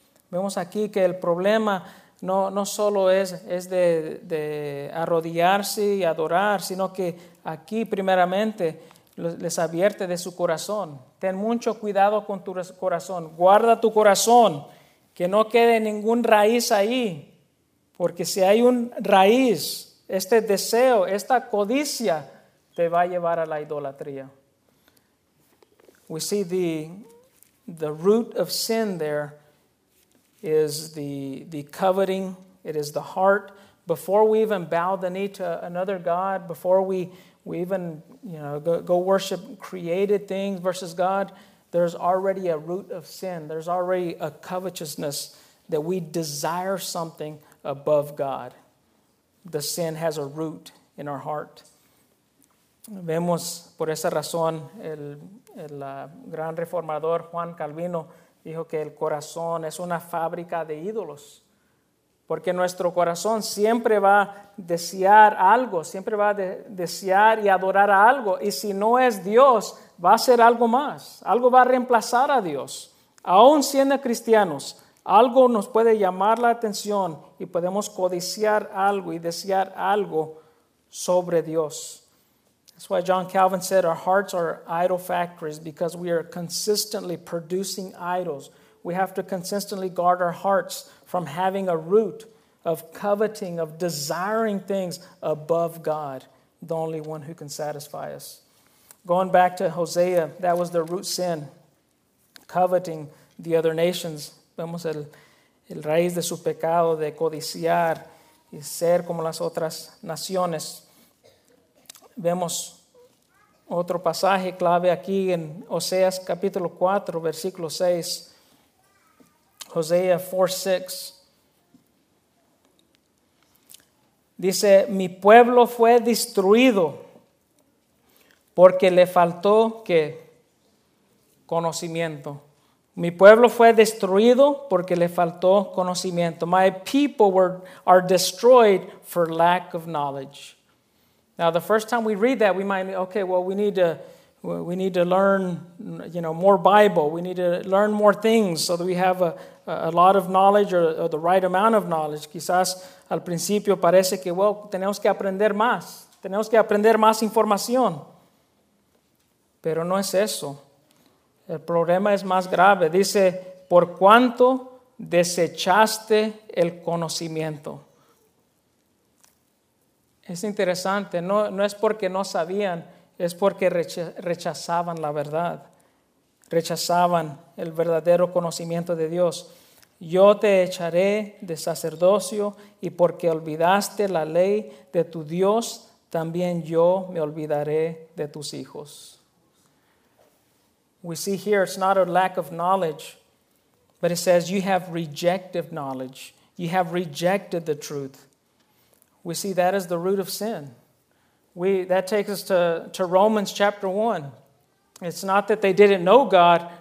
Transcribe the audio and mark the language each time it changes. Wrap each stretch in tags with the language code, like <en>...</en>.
<es>Vemos aquí que el problema no solo es de arrodillarse y adorar, sino que aquí primeramente les advierte de su corazón. Ten mucho cuidado con tu corazón, guarda tu corazón, que no quede ningún raíz ahí. Porque si hay un raíz, este deseo, esta codicia, te va a llevar a la idolatría.</es> <en>We see the root of sin there is the coveting. It is the heart. Before we even bow the knee to another god, before we even go worship created things versus God, there's already a root of sin. There's already a covetousness that we desire something above God. The sin has a root in our heart.</en> <es>Vemos por esa razón el gran reformador Juan Calvino dijo que el corazón es una fábrica de ídolos, porque nuestro corazón siempre va a desear algo, siempre va a desear y adorar a algo, y si no es Dios, va a ser algo más, algo va a reemplazar a Dios. Aún siendo cristianos, algo nos puede llamar la atención y podemos codiciar algo y desear algo sobre Dios.</es> <en>That's why John Calvin said our hearts are idol factories, because we are consistently producing idols. We have to consistently guard our hearts from having a root of coveting, of desiring things above God, the only one who can satisfy us. Going back to Hosea, that was the root sin, coveting the other nations.</en> <es>Vemos el raíz de su pecado de codiciar y ser como las otras naciones. Vemos otro pasaje clave aquí en Oseas capítulo 4, versículo 6.</es> <en>Hosea 4:6.</en> <es>Dice, mi pueblo fue destruido porque le faltó, ¿qué? Conocimiento. Mi pueblo fue destruido porque le faltó conocimiento.</es> <en>My people are destroyed for lack of knowledge. Now, the first time we read that, we might, okay, well, we need to learn, you know, more Bible. We need to learn more things so that we have a lot of knowledge or the right amount of knowledge.</en> <es>Quizás al principio parece que, well, tenemos que aprender más. Tenemos que aprender más información. Pero no es eso. El problema es más grave. Dice, por cuanto desechaste el conocimiento. Es interesante. No es porque no sabían, es porque rechazaban la verdad. Rechazaban el verdadero conocimiento de Dios. Yo te echaré de sacerdocio y porque olvidaste la ley de tu Dios, también yo me olvidaré de tus hijos.</es> <en>We see here it's not a lack of knowledge, but it says you have rejected knowledge. You have rejected the truth. We see that is the root of sin. That takes us to Romans chapter 1. It's not that they didn't know God.</en>